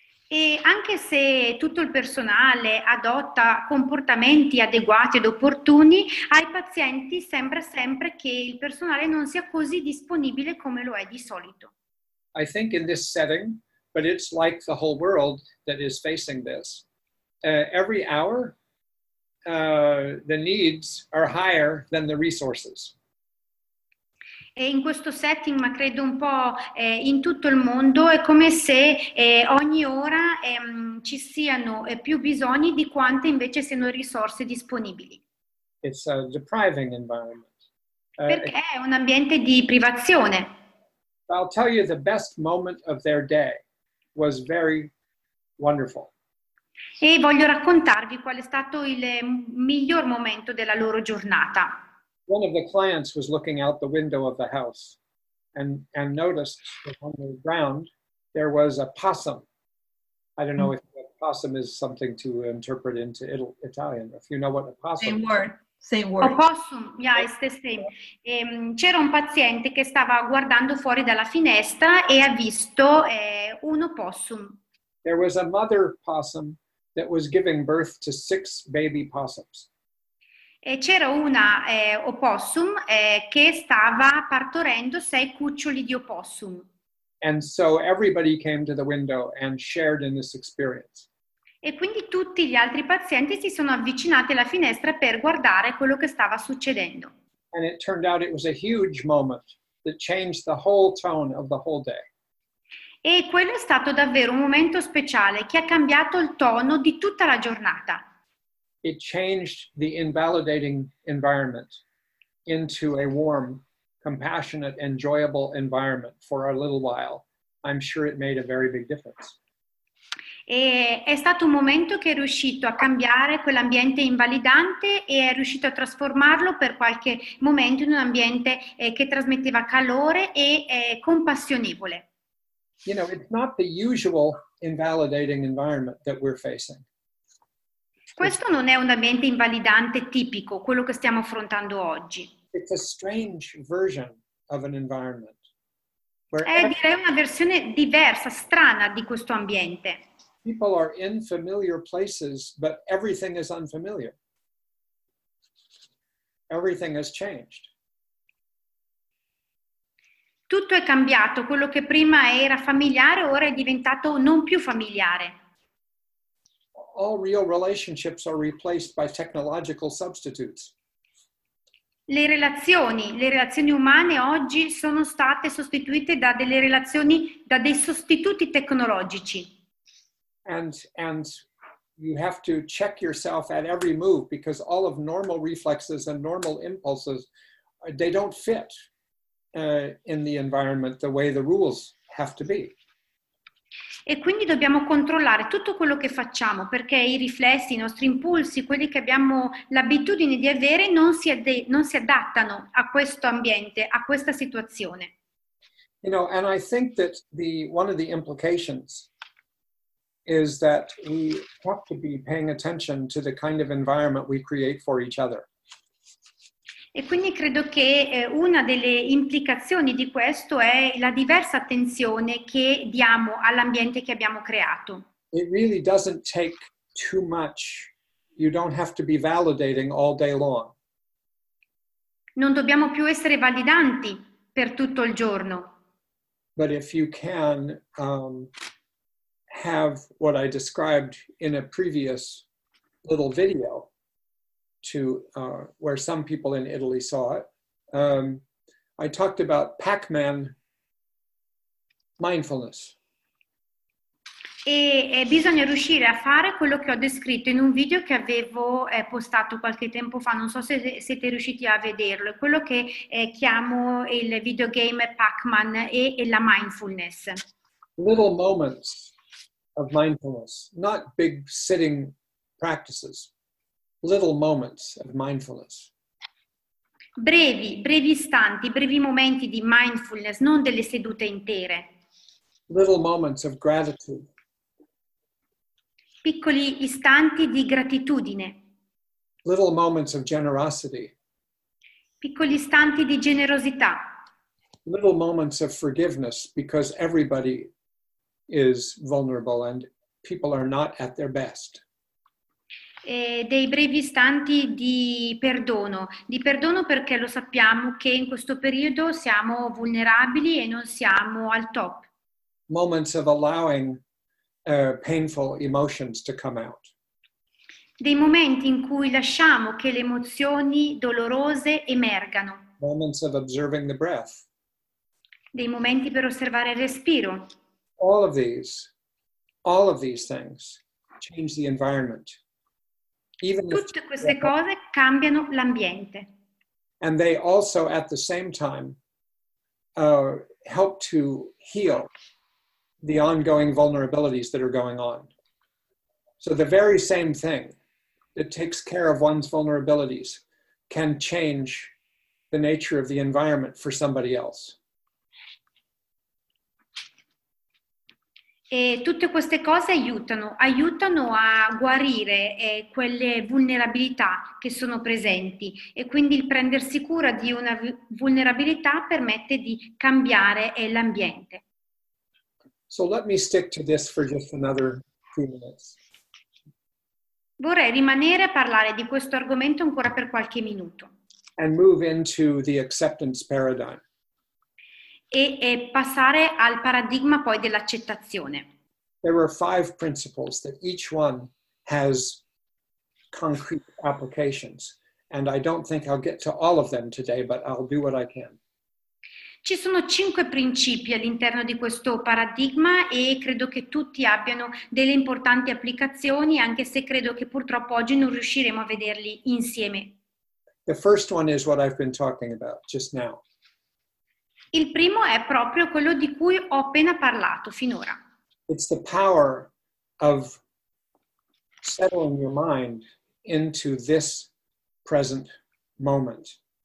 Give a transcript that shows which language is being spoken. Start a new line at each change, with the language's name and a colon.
Italian: E anche se tutto il personale adotta comportamenti adeguati ed opportuni, ai pazienti sembra sempre che il personale non sia così disponibile come lo è di solito.
English: I think in this setting, but it's like the whole world that is facing this, every hour, the needs are higher than the resources.
Italian: E in questo setting, ma credo un po' in tutto il mondo, è come se ogni ora ci siano più bisogni di quante invece siano risorse disponibili.
English: It's a depriving environment.
Italian: Perché è un ambiente di privazione.
English: I'll tell you the best moment of their day was very wonderful.
Italian: E voglio raccontarvi qual è stato il miglior momento della loro giornata.
English: One of the clients was looking out the window of the house and noticed that on the ground there was a possum. I don't know if a possum is something to interpret into Italian, if you know what a possum is. Same word. Opossum, yeah, it's the same.
Italian: C'era un paziente che stava guardando fuori dalla finestra e ha visto un opossum.
English: There was a mother possum that was giving birth to 6 baby possums.
Italian: E c'era una opossum che stava partorendo 6 cuccioli di opossum.
English: And so everybody came to the window and shared in this experience.
Italian: E quindi tutti gli altri pazienti si sono avvicinati alla finestra per guardare quello che stava succedendo.
English: And it turned out it was a huge moment that changed the whole tone of the whole day.
Italian: E quello è stato davvero un momento speciale che ha cambiato il tono di tutta la giornata.
English: It changed the invalidating environment into a warm, compassionate, enjoyable environment for a little while. I'm sure it made a very big difference.
Italian: E è stato un momento che è riuscito a cambiare quell'ambiente invalidante e è riuscito a trasformarlo per qualche momento in un ambiente che trasmetteva calore e compassionevole.
English: You know, it's not the usual invalidating environment that we're facing.
Italian: Questo non è un ambiente invalidante tipico, quello che stiamo affrontando oggi.
English: It's a strange version of an environment.
Italian: Direi una versione diversa, strana di questo ambiente.
English: People are in familiar places, but everything is unfamiliar. Everything has changed.
Italian: Tutto è cambiato. Quello che prima era familiare ora è diventato non più familiare.
English: All real relationships are replaced by technological substitutes.
Italian: Le relazioni umane oggi sono state sostituite da delle relazioni, da dei sostituti tecnologici.
English: And you have to check yourself at every move because all of normal reflexes and normal impulses, they don't fit in the environment the way the rules have to be.
Italian: E quindi dobbiamo controllare tutto quello che facciamo perché i riflessi, i nostri impulsi, quelli che abbiamo l'abitudine di avere non si adattano a questo ambiente, a questa situazione.
English: You know, and I think that one of the implications is that we have to be paying attention to the kind of environment we create for each other.
Italian: E quindi credo che una delle implicazioni di questo è la diversa attenzione che diamo all'ambiente che abbiamo creato.
English: It really doesn't take too much. You don't have to be validating all day long.
Italian: Non dobbiamo più essere validanti per tutto il giorno.
English: But if you can have what I described in a previous little video to where some people in Italy saw it. I talked about Pac-Man mindfulness.
Italian: E bisogna riuscire a fare quello che ho descritto in un video che avevo postato qualche tempo fa. Non so se siete riusciti a vederlo. È quello che chiamo il videogame Pac-Man e la mindfulness.
English: Little moments of mindfulness, not big sitting practices. Little moments of mindfulness.
Italian: Brevi istanti, brevi momenti di mindfulness, non delle sedute intere.
English: Little moments of gratitude.
Italian: Piccoli istanti di gratitudine.
English: Little moments of generosity.
Italian: Piccoli istanti di generosità.
English: Little moments of forgiveness because everybody is vulnerable and people are not at their best.
Italian: Dei brevi istanti di perdono perché lo sappiamo che in questo periodo siamo vulnerabili e non siamo al top.
English: Moments of allowing painful emotions to come out.
Italian: dei momenti in cui lasciamo che le emozioni dolorose emergano.
English: Moments of observing the breath.
Italian: Dei momenti per osservare il respiro.
English: All of these things change the environment. Even
Italian: tutte queste cose cambiano l'ambiente.
English: And they also, at the same time, help to heal the ongoing vulnerabilities that are going on. So the very same thing that takes care of one's vulnerabilities can change the nature of the environment for somebody else.
Italian: E tutte queste cose aiutano a guarire quelle vulnerabilità che sono presenti, e quindi il prendersi cura di una vulnerabilità permette di cambiare l'ambiente.
English: So let me stick to this for just another few minutes.
Italian: Vorrei rimanere a parlare di questo argomento ancora per qualche minuto.
English: And move into the acceptance paradigm.
Italian: E passare al paradigma poi dell'accettazione.
English: There are five principles that each one has concrete applications. And I don't think I'll get to all of them today, but I'll do what I can.
Italian: Ci sono cinque principi all'interno di questo paradigma e credo che tutti abbiano delle importanti applicazioni, anche se credo che purtroppo oggi non riusciremo a vederli insieme.
English: The first one is what I've been talking about just now.
Italian: Il primo è proprio quello di cui ho appena parlato finora.
English: It's the power of settling your mind into this present moment.